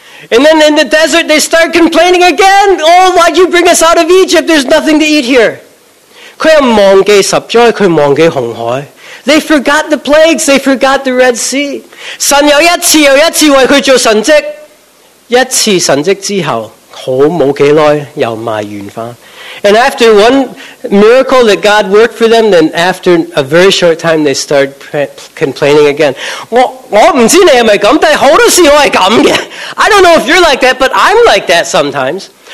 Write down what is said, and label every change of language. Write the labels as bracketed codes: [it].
[en] and then in the desert they start complaining again, oh why'd you bring us out of Egypt, there's nothing to eat here. [zh] 他又忘记十灾他忘记红海, [en] they forgot the plagues, they forgot the Red Sea. [zh] 神又一次又一次为他做神迹, 一次神迹之后, 好没多久又埋怨回, [en] and after one miracle that God worked for them, then after a very short time, they start complaining again. [zh] 我不知道你是不是这样, [en] I don't know if you're like that, but I'm like that sometimes.